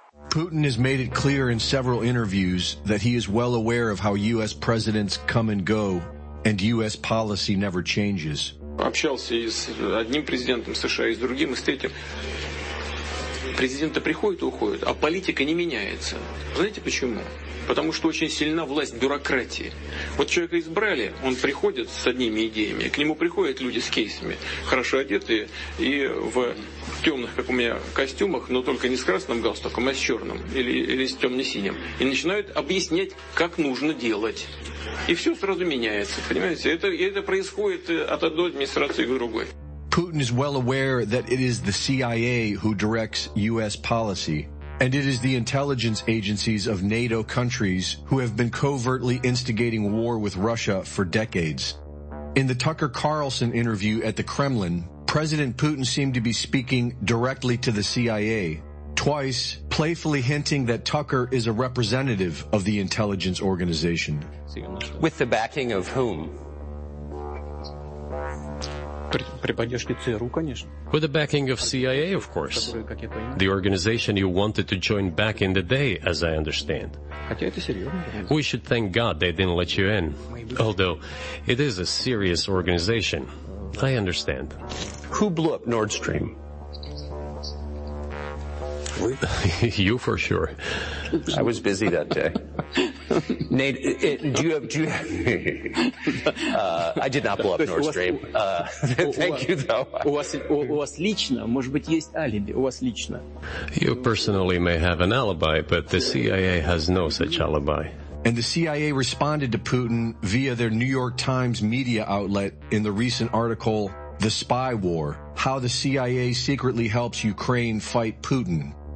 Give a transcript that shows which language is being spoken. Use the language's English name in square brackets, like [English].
[English] Biden has made it clear in several interviews that he is well aware of how U.S. presidents come and go, and U.S. policy never changes. [Russian] Общался с одним президентом США и с другим, и с третьим. Президенты приходят и уходят, а политика не меняется. Знаете почему? Потому что очень сильна власть бюрократии. Вот человека избрали, он приходит с одними идеями, к нему приходят люди с кейсами, хорошо одетые и в темных, как у меня, костюмах, но только не с красным галстуком, а с черным или с темно-синим. И начинают объяснять, как нужно делать. И все сразу меняется, понимаете? Это происходит от одной администрации к другой. [English] Putin is well aware that it is the CIA who directs U.S. policy, and it is the intelligence agencies of NATO countries who have been covertly instigating war with Russia for decades. In the Tucker Carlson interview at the Kremlin, President Putin seemed to be speaking directly to the CIA, twice playfully hinting that Tucker is a representative of the intelligence organization. With the backing of whom? [Russian] При поддержке ЦРУ, конечно. [English] With the backing of CIA, of course. The organization you wanted to join back in the day, as I understand. [Russian] Хотя это серьезно. [English] We should thank God they didn't let you in. Although, it is a serious organization. I understand. Who blew up Nord Stream? You for sure. I was busy that day. Nate, do you have, I did not blow up Nord Stream. Thank you though. [Russian] У вас лично, может быть, есть алиби, у вас лично. [English] You personally may have an alibi, but the CIA has no such alibi. And the CIA responded to Putin via their New York Times media outlet in the recent article, The Spy War, How the CIA Secretly Helps Ukraine Fight Putin.